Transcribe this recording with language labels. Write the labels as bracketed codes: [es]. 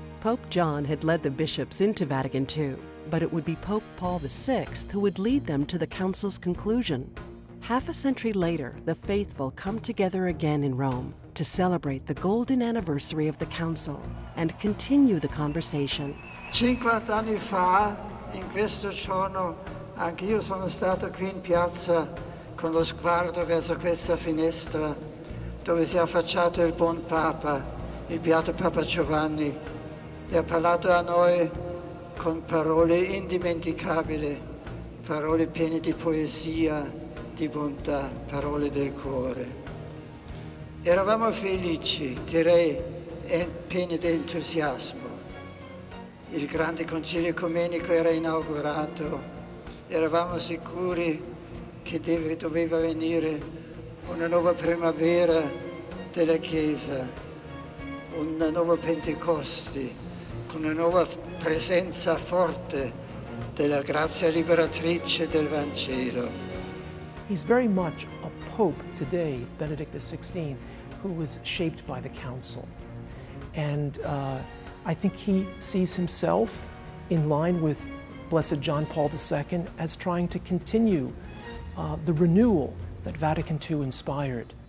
[en] Pope John had led the bishops into Vatican II, but it would be Pope Paul VI who would lead them to the council's conclusion. Half a century later, the faithful come together again in Rome to celebrate the golden anniversary of the council and continue the conversation. [it] 50 anni fa, in questo giorno, anch'io sono stato qui in piazza con lo sguardo verso questa finestra dove si è affacciato il buon Papa, il Beato Papa Giovanni, e ha parlato a noi con parole indimenticabili, parole piene di poesia, di bontà, parole del cuore. Eravamo felici, direi, e pieni di entusiasmo. Il grande concilio ecumenico era inaugurato, eravamo sicuri che doveva venire una nuova primavera della Chiesa, una nuova Pentecoste, con una nuova presenza forte della grazia liberatrice del Vangelo. [en] He's very much a pope today, Benedict XVI, who was shaped by the council. And I think he sees himself in line with Blessed John Paul II as trying to continue the renewal that Vatican II inspired.